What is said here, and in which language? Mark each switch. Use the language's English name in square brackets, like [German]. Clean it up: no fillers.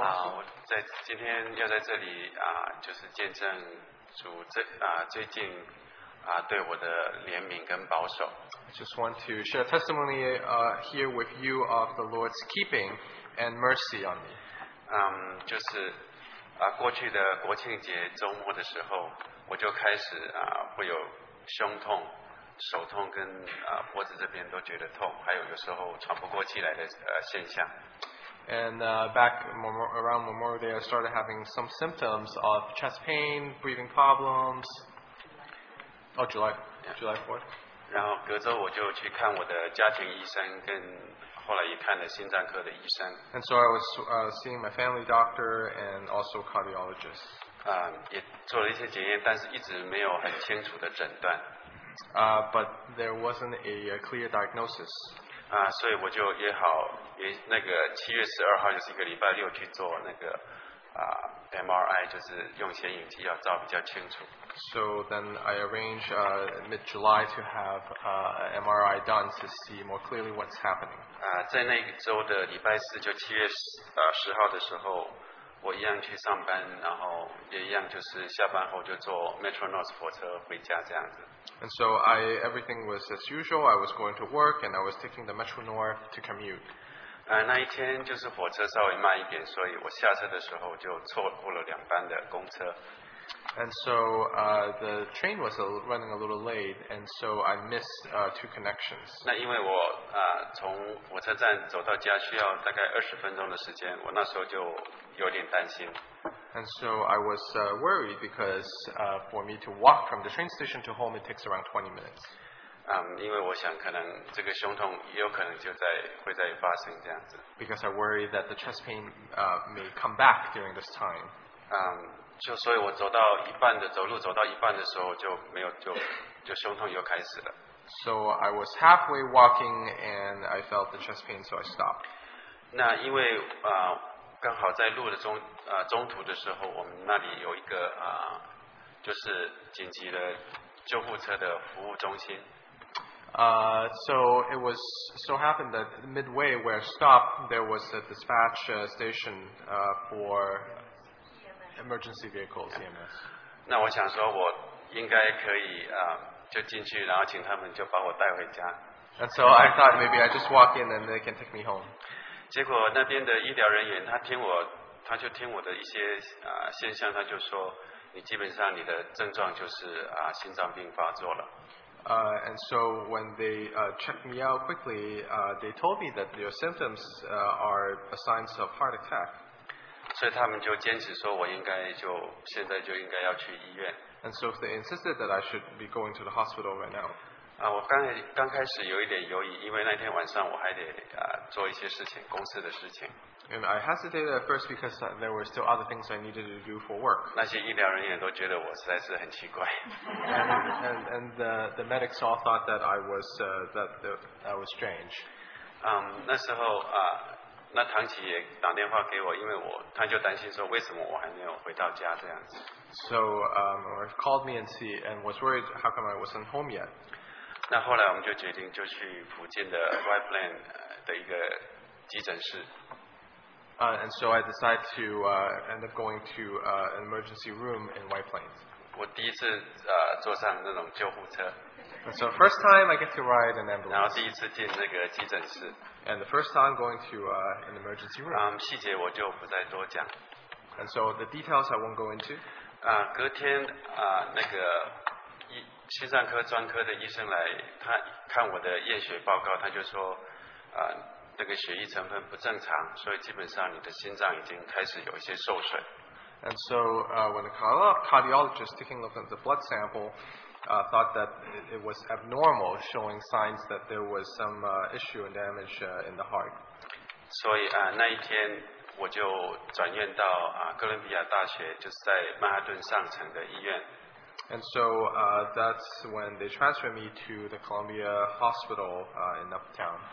[Chinese] 我今天要在这里, 就是见证主这, 最近, 对我的怜悯跟保守。 [English] I just want to share testimony here with you of the Lord's keeping and mercy on me. [Chinese] 就是, 过去的国庆节周末的时候, 我就开始会有胸痛, 手痛跟脖子这边都觉得痛，还有有时候喘不过气来的现象。 [English] And back around Memorial Day, I started having some symptoms of chest pain, breathing problems. Oh, July 4th. [Chinese] 然后隔周我就去看我的家庭医生，跟后来也看了心脏科的医生。 [English] And so I was seeing my family doctor and also cardiologist. [Chinese] 也做了一些检验，但是一直没有很清楚的诊断。 [English] But there wasn't a clear diagnosis. [Chinese] 所以我就约好约那个七月十二号，就是一个礼拜六去做那个MRI， 就是用显影剂要照比较清楚。 [English] So then I arrange mid July to have MRI done to see more clearly what's happening. [Chinese] 在那一周的礼拜四，就七月十号的时候，我一样去上班，然后也一样就是下班后就坐 Metro North 火车回家这样子。 [English] And so everything was as usual. I was going to work and I was taking the Metro North to commute. [Chinese] 那一天就是火车稍微慢一点，所以我下车的时候就错过了两班的公车。 [English] And so the train was running a little late, and so I missed two connections. [Chinese] 那因为我从火车站走到家需要大概20分钟的时间，我那时候就有点担心。 [English] And so I was worried because for me to walk from the train station to home, it takes around 20 minutes. [Chinese] 因为我想可能这个胸痛也有可能就在会再发生这样子。 [English] Because I worry that the chest pain may come back during this time. [Chinese] 就所以我走到一半的走路走到一半的时候就没有就胸痛又开始了。 [English] So I was halfway walking and I felt the chest pain, so I stopped. [Chinese] 那因为刚好在路的中途的时候，我们那里有一个就是紧急的救护车的服务中心。 [English] So it was so happened that midway where I stopped, there was a dispatch station for emergency vehicles, EMS. [Chinese] 那我想说我应该可以就进去，然后请他们就把我带回家。 [English] And so I thought maybe I just walk in and they can take me home. [Chinese] 结果那边的医疗人员他就听我的一些现象，他就说你基本上你的症状就是心脏病发作了。 [English] And so when they checked me out quickly, they told me that your symptoms are a signs of heart attack. [Chinese] 所以他们就坚持说我应该就现在就应该要去医院。 [English] And so they insisted that I should be going to the hospital right now. [Chinese] 我刚开始有一点犹豫，因为那天晚上我还得做一些事情，公司的事情。 [English] And I hesitated at first because there were still other things I needed to do for work. [Chinese] 那些医疗人员都觉得我实在是很奇怪。 [English] And the medics all thought that I was strange. [Chinese] 那时候那唐琪也打电话给我，因为他就担心说为什么我还没有回到家这样子。 [English] So called me and see and was worried how come I wasn't home yet. [Chinese] 那后来我们就决定就去福建的 White Plains 的一个急诊室。 [English] And so I decided to end up going to an emergency room in White Plains. [Chinese] 我第一次坐上那种救护车。 [English] And so first time I get to ride an ambulance. [Chinese] 然后第一次进那个急诊室。 [English] And the first time going to an emergency room. [Chinese] 细节我就不再多讲。 [English] And so the details I won't go into. [Chinese] 隔天那个心脏科专科的医生来，他看我的验血报告，他就说那个血液成分不正常，所以基本上你的心脏已经开始有一些受损。 [English] And so when the cardiologist taking a look at the blood sample thought that it was abnormal, showing signs that there was some issue and damage in the heart. [Chinese] 所以那一天我就转院到哥伦比亚大学，就是在曼哈顿上城的医院。 [English] And so that's when they transferred me to the Columbia Hospital in uptown.